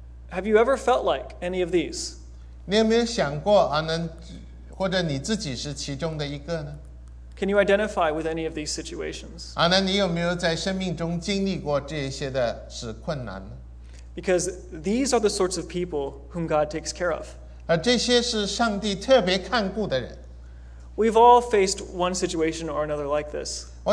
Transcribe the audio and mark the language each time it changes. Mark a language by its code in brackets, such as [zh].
[en] Have you ever felt like any of these? [zh] 你有没有想过，或者你自己是其中的一个呢？ [en] Can you identify with any of these situations? [zh] 你有没有在生命中经历过这些的是困难呢？ [en] Because these are the sorts of people whom God takes care of. [zh] 这些是上帝特别看顾的人。 [en] We've all faced one situation or another like this.